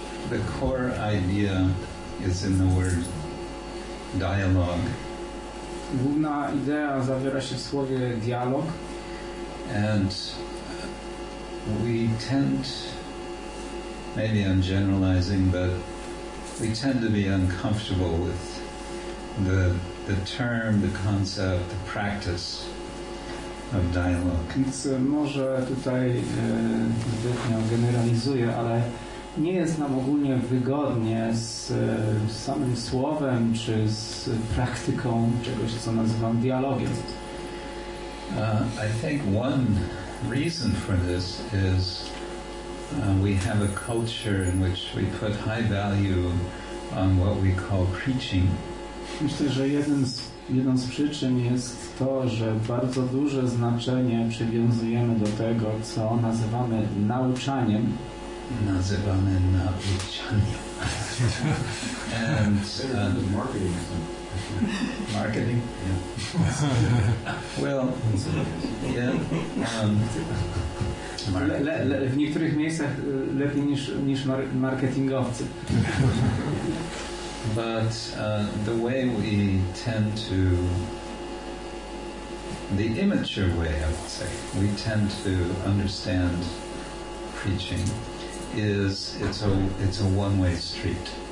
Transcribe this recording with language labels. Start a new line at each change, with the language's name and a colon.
English: The core idea is in the word dialogue.
Polish: Główna idea zawiera się w słowie dialog.
English: And we tend, maybe I'm generalizing, but we tend to be uncomfortable with the term, the concept, the practice of dialogue.
Polish: Więc może tutaj zbytnio generalizuję, ale nie jest nam ogólnie wygodnie z samym słowem czy z praktyką czegoś, co nazywam dialogiem.
English: I think one reason for this is we have a culture in which we put high value on what we call preaching.
Polish: Myślę, że jedną z przyczyn jest to, że bardzo duże znaczenie przywiązujemy do tego, co nazywamy nauczaniem. Nazywamy nauczaniem.
English: And marketing. Yeah. Well, yeah.
Polish: W niektórych miejscach lepiej niż marketingowcy.
English: But the way we tend to, the immature way, I would say, we tend to understand preaching is it's a one-way street.